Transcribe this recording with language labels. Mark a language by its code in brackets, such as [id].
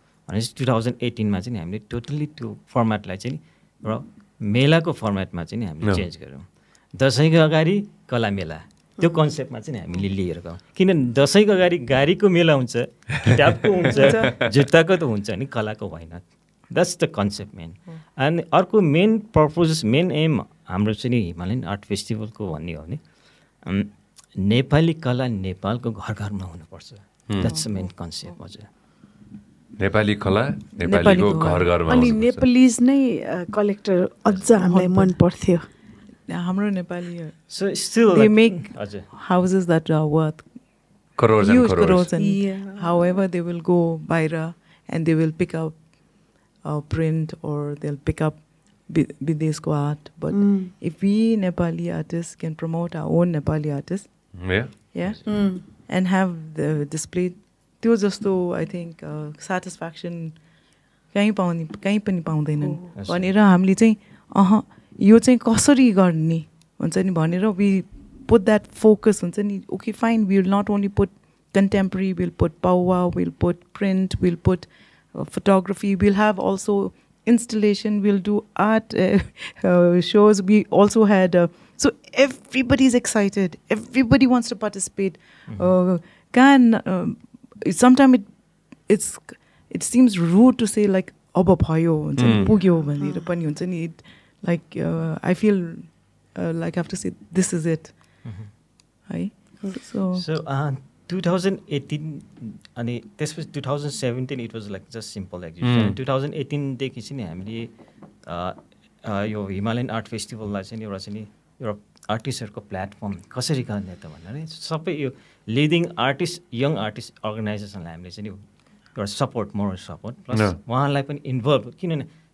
[ne] भने 2018 चाहिँ हामीले टोटल्ली त्यो फर्मेटलाई चाहिँ एउटा मेलाको फर्मेटमा चाहिँ हामीले चेन्ज गऱ्यौँ दसैँको अगाडि कला मेला त्यो कन्सेप्टमा चाहिँ हामीले लिएर गयौँ किनभने दसैँको अगाडि गाडीको मेला हुन्छ किताबको हुन्छ जुत्ताको त हुन्छ नि कलाको होइन [en] that's the concept main [ne] अनि अर्को मेन पर्पोज मेन एम हाम्रो चाहिँ नि हिमालयन आर्ट फेस्टिभलको भन्ने हो भने नेपाली कला नेपालको घर घरमा हुनुपर्छ [en] that's main concept [ne] हजुर नेपाली कला नेपालीको घर घरमा अनि नेपालीज नै कलेक्टर अझ हामीलाई मन पर्थ्यो हाम्रो Nepali [en] so still they make houses that are worth crores and however they will go बाहिर and they will pick up print or they will pick up Bidesko art, but if we Nepali artists can promote our own Nepali artists, and have the display, [ne] त्यो जस्तो [en] I think satisfaction [ne] कहीँ पनि पाउँदैनन् भनेर हामीले चाहिँ अह यो चाहिँ कसरी गर्ने हुन्छ नि भनेर [en] we put that focus हुन्छ नि okay fine we will not only put contemporary we'll put pawa we'll put print we'll put photography we'll have also installation we'll do art shows we also had so everybody's excited everybody wants to participate sometimes it seems rude to say like [ne] aba bhayo huncha pugyo bhanera pani huncha ni [en] like I feel like I have to say this is it hai so [ne] 2018 अनि त्यसपछि 2017 [en] it was like just simple exhibition [ne] 2018देखि चाहिँ हामीले यो Himalayan art फेस्टिभललाई चाहिँ एउटा चाहिँ एउटा आर्टिस्टहरूको platform कसरी गर्ने त भन्दा नि सबै यो लिडिङ आर्टिस्ट यङ आर्टिस्ट अर्गनाइजेसनलाई हामीले चाहिँ एउटा सपोर्ट मोरल सपोर्ट प्लस उहाँलाई पनि इन्भल्भ किनभने